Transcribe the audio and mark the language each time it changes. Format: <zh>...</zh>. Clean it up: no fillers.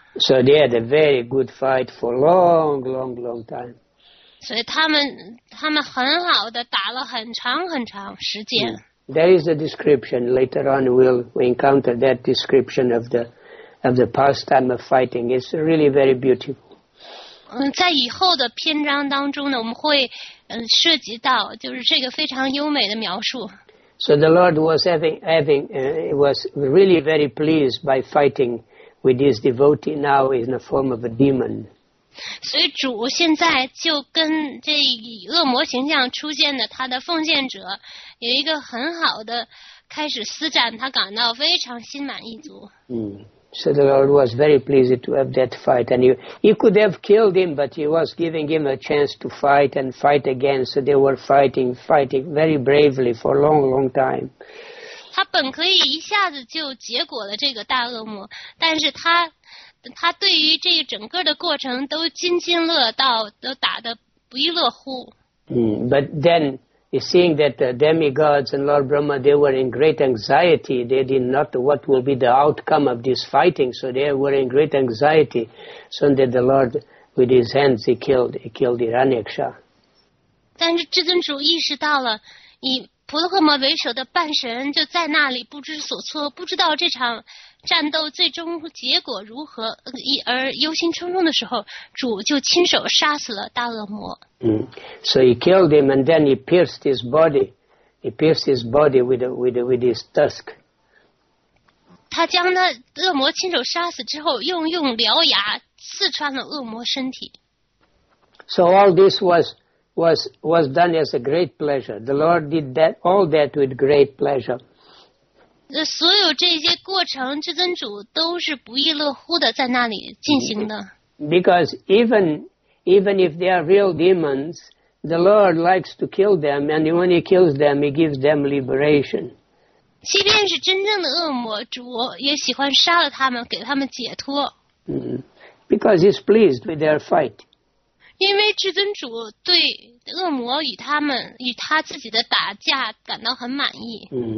<en>So they had a very good fight for long time.</en> <zh>所以他们很好的打了很长很长时间。</zh> <en>There is a description. Later on, we encounter that description of the pastime of fighting. It's really very beautiful.</en> <zh>在以后的篇章当中呢，我们会涉及到就是这个非常优美的描述。</zh> <en>So the Lord was was really very pleased by fighting with his devotee now in the form of a demon.</en> <zh>所以主现在就跟这以恶魔形象出现的他的奉献者有一个很好的开始施展，他感到非常心满意足。</zh> <en>So the Lord was very pleased to have that fight. And he could have killed him, but he was giving him a chance to fight and fight again. So they were fighting very bravely for a long, long time.</en> <zh>他本可以一下子就结果了这个大恶魔，但是他对于这整个的过程都津津乐道，都打得不亦乐乎。</zh> <en>But then, seeing that the demigods and Lord Brahma, they were in great anxiety. They did not know what will be the outcome of this fighting, so they were in great anxiety. So that the Lord, with his hands, he killed Hiranyaksha.</en> <zh>但是至尊主意识到了，你婆罗诃摩为首的半神就在那里不知所措，不知道这场战斗最终结果如何，而忧心忡忡的时候，主就亲手杀死了大恶魔。</zh> <en>So he killed him, and then he pierced his body. He pierced his body with his tusk.</en> <zh>他将那恶魔亲手杀死之后，用獠牙刺穿了恶魔身体。</zh> <en>So all this was done as a great pleasure. The Lord did that all that with great pleasure.</en> <zh>所有这些过程，至尊主都是不亦乐乎的在那里进行的。</zh> <en>Because even if they are real demons, the Lord likes to kill them, and when he kills them, he gives them liberation.</en> <zh>即便是真正的恶魔，主也喜欢杀了他们，给他们解脱。</zh> <en>Because he's pleased with their fight.</en> <zh>因为至尊主对恶魔与他自己的打架感到很满意。</zh>